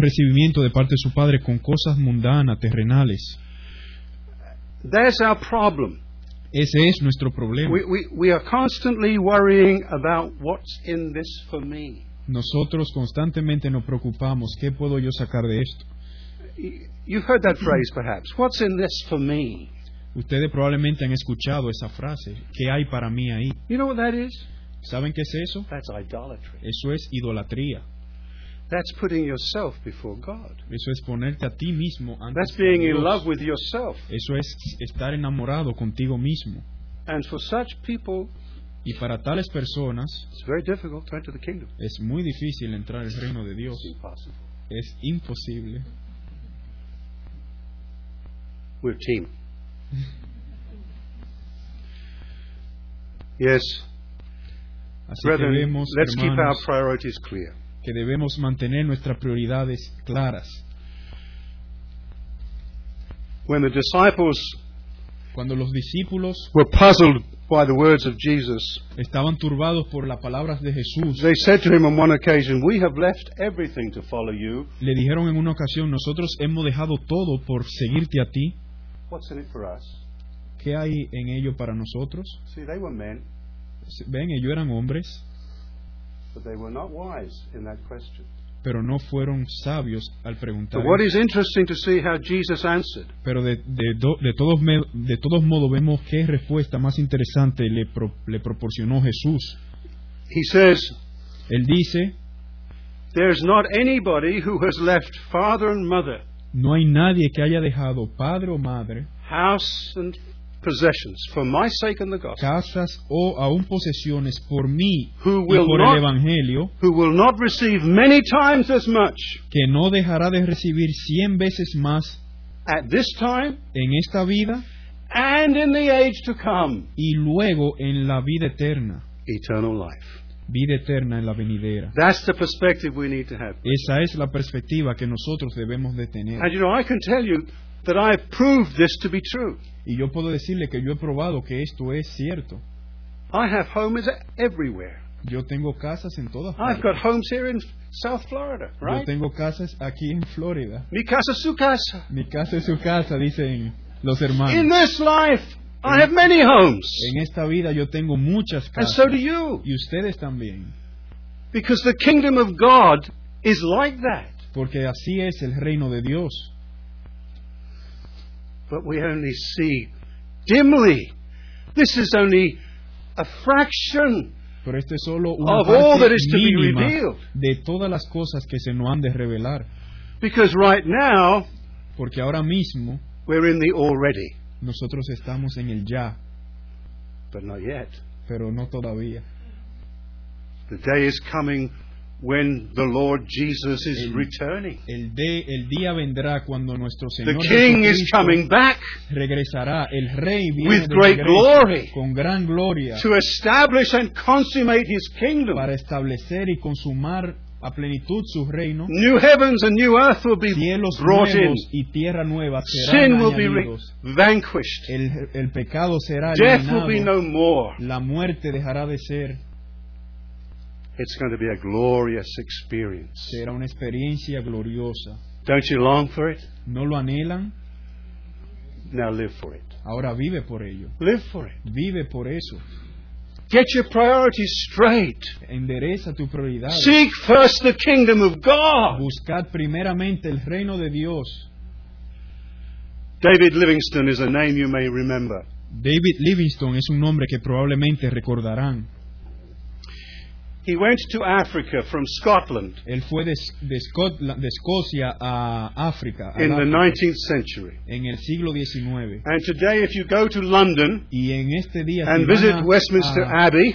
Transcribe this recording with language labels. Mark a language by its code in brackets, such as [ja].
[es] recibimiento de parte de su padre con cosas mundanas, terrenales. [en] That's our problem. [es] Ese es nuestro problema. [en] We are constantly worrying about what's in this for me. [es] Nosotros constantemente nos preocupamos, ¿qué puedo yo sacar de esto? [en] You've heard that phrase, perhaps. What's in this for me? [es] Ustedes probablemente han escuchado esa frase, ¿qué hay para mí ahí? [en] You know what that is? [es] ¿Saben qué es eso? [en] That's idolatry. [es] Eso es idolatría. [en] That's putting yourself before God. [es] Eso es ponerte a ti mismo antes. [en] That's being in love with yourself. [es] Eso es estar enamorado contigo mismo. [en] And for such people, [es] y para tales personas, it's very difficult to enter the kingdom. Es muy difícil entrar al reino de Dios. Es imposible. [en] We're a team. Yes. [es] Así que debemos, [en] let's [es] hermanos, [en] keep our priorities clear. [es] Que debemos mantener nuestras prioridades claras. [en] When the disciples, [es] cuando los discípulos, [en] were puzzled by the words of Jesus, [es] estaban turbados por las palabras de Jesús, [en] they said to him on one occasion, "We have left everything to follow you." [es] Le dijeron en una ocasión, nosotros hemos dejado todo por seguirte a ti. [en] What's in it for us? [es] ¿Qué hay en ello para nosotros? [en] See, they were men. [es] Ven, ellos eran hombres. [en] But they were not wise in that question. [es] Pero no fueron sabios al preguntar. [en] But what is interesting to see how Jesus answered. [es] Pero de todos modos vemos qué respuesta más interesante le proporcionó Jesús. [en] He says, [es] él dice, [en] there's not anybody who has left father and mother. [es] No hay nadie que haya dejado padre o madre. [en] House and possessions for my sake and the gospel. [es] Casas o aun posesiones por mí y por el evangelio. [en] Who will not receive many times as much? [es] Que no dejará de recibir 100 veces más. [en] At this time. [es] En esta vida. [en] And in the age to come. [es] Y luego en la vida eterna. [en] Eternal life. [es] Vida eterna en la venidera. [en] That's the perspective we need to have. [es] Esa es la perspectiva que nosotros debemos de tener. [en] And you know, I can tell you that I have proved this to be true. [es] Y yo puedo decirle que yo he probado que esto es cierto. [en] I have homes everywhere. [es] Yo tengo casas en todas partes. [en] I've got homes here in South Florida, right? [es] Yo tengo casas aquí en Florida. Mi casa es su casa. Mi casa es su casa, dicen los hermanos. [en] In this life, I have many homes. [es] En esta vida yo tengo muchas casas. [en] And so do you. [es] Y ustedes también. [en] Because the kingdom of God is like that. [es] Porque así es el reino de Dios. [en] But we only see dimly. This is only a fraction of all that is to be revealed. [es] De todas las cosas que se nos han de revelar. [en] Because right now, [es] porque ahora mismo, [en] we're in the already. [es] Nosotros estamos en el ya. [en] But not yet. [es] Pero no todavía. [en] The day is coming when the Lord Jesus is returning. [es] El día vendrá cuando nuestro Señor, [en] the King is coming back, [es] regresará. El Rey viene [en] with great glory, [es] con gran gloria, [en] to establish and consummate his kingdom, [es] para establecer y consumar a plenitud su reino, [en] new heavens and new earth will be [es] cielos [en] brought [es] nuevos [en] in. [es] Y tierra nueva serán [en] sin [es] añadidos. [en] Will be vanquished. [es] El pecado será [en] death [es] eliminado. [en] Will be no more. [es] La muerte dejará de ser. [en] It's going to be a glorious experience. [es] Será una experiencia gloriosa. [en] Don't you long for it? [es] ¿No lo anhelan? [en] Now live for it. [es] Ahora vive por ello. [en] Live for it. [es] Vive por eso. [en] Get your priorities straight. [es] Endereza tu prioridad. [en] Seek first the kingdom of God. [es] Buscad primeramente el reino de Dios. [en] David Livingstone is a name you may remember. [es] David Livingstone es un nombre que probablemente recordarán. [en] He went to Africa from Scotland. [es] Él fue de Escocia a África. [en] In the 19th century. [es] En el siglo 19. [en] And today, if you go to London and visit Westminster Abbey,